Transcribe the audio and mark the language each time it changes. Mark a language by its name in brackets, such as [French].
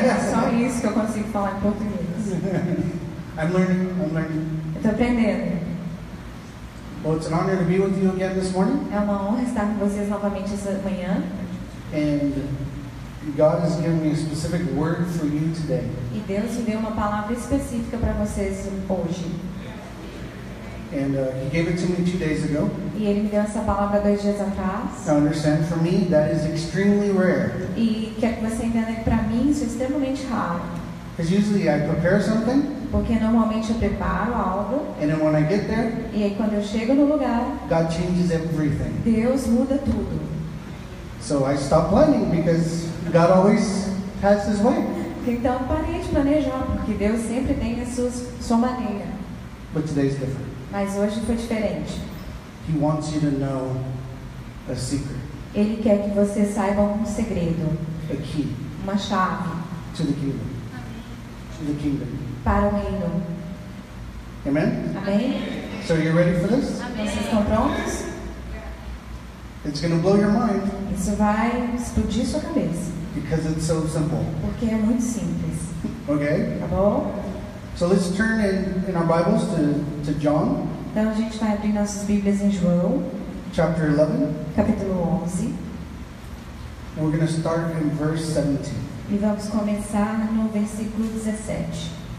[Portuguese] Só isso que eu consigo falar em português. [English] I'm learning. [Portuguese] Estou aprendendo. [English] Well, it's an honor to be with you again this morning. [Portuguese] É uma honra estar com vocês novamente essa manhã. [English] And God has given me a specific word for you today. [Portuguese] E Deus me deu uma palavra específica para vocês hoje. [English] And he gave it to me 2 days ago. [Portuguese] E ele me deu essa palavra 2 dias atrás. [English] Now understand, for me, that is extremely rare. [Portuguese] E quer que você entenda que para mim isso é extremamente raro. [English] Because usually I prepare something. [Portuguese] Porque normalmente eu preparo algo. [English] And then when I get there. [Portuguese] E aí quando eu chego no lugar. [English] God changes everything. [Portuguese] Deus muda tudo. [English] So I stop planning because God always has His way. [Portuguese] Então parei de planejar porque Deus sempre tem a sua maneira. [English] But today is different. [Portuguese] Mas hoje foi diferente. [English] He wants you to know a secret. [Portuguese] Ele quer que você saiba um segredo. [English] A key. [Portuguese] Uma chave. [English] To the kingdom. To the kingdom. [Portuguese] Para o reino. [English] Amen? [Portuguese] Amém? [English] So you're ready for this? [Portuguese] Amém. Vocês estão prontos? [English] It's gonna blow your mind. [Portuguese] Isso vai explodir sua cabeça. [English] Because it's so simple. [Portuguese] Porque é muito simples. [English] Okay? [Portuguese] Tá bom? [English] So let's turn in our Bibles to John. [Portuguese] Então a gente vai abrir nossas Bíblias em João. [English] Chapter 11. [Portuguese] Capítulo 11. [English] And we're going to start in verse 17. [Portuguese] E vamos começar no versículo 17.